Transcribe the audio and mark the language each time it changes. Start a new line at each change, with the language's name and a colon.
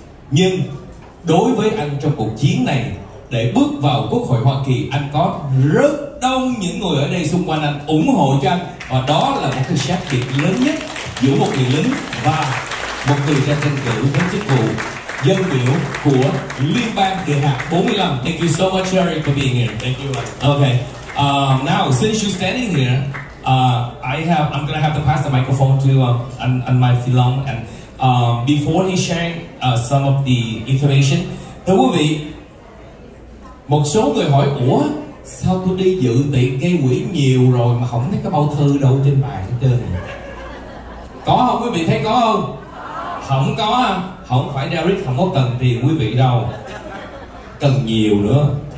Vietnamese: Nhưng đối với anh trong cuộc chiến này, để bước vào Quốc hội Hoa Kỳ, anh có rất đông những người ở đây xung quanh anh ủng hộ cho anh. Và đó là một cái khác biệt lớn nhất giữa một người lính và một người đã tranh cử với chức vụ dân biểu của Liên bang Địa hạt 45.
English: Thank you so much, Jerry, for being here. Thank you. Okay. Now, since you're standing here, I'm going to have to pass the microphone to my Philong.
Vietnamese: And before he sharing some of the information, thưa quý vị, một số người hỏi, ủa sao tôi đi dự tiệc gây quỹ nhiều rồi mà không thấy cái bao thư đâu trên bàn hết trơn này. Có không, quý vị thấy có không? Không có. Không phải Derek không có cần tiền quý vị đâu, cần nhiều nữa.